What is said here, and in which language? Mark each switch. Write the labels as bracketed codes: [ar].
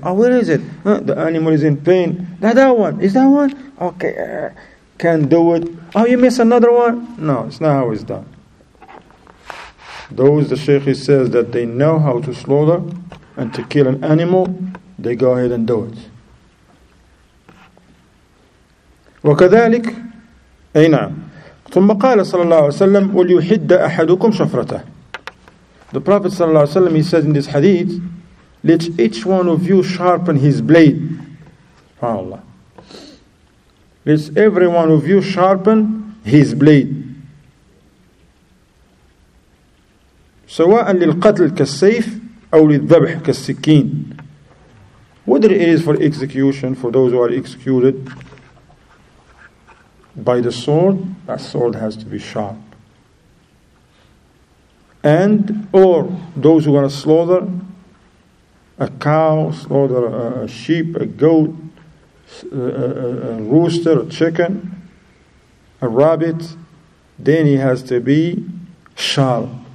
[en] Oh, where is it? Huh? The animal is in pain. That one. Is that one? Okay. Can't do it. Oh, you missed another one? No, it's not how it's done. Those, the Sheikh says, that they know how to slaughter and to kill an animal, they go ahead and do it. [ar] وكذلك أي نعم ثم قال صلى الله عليه وسلم وليحد أحدكم شفرته. [en] The Prophet صلى الله عليه وسلم, he says in this hadith, let each one of you sharpen his blade. [ar] سبحان الله. [en] Let every one of you sharpen his blade. [ar] سواء للقتل كالسيف أو للذبح كالسكين. [en] Whether it is for execution, for those who are executed by the sword, that sword has to be sharp. And, or those who are slaughter, a cow, slaughter a sheep, a goat, a rooster, a chicken, a rabbit, then he has to be sharp.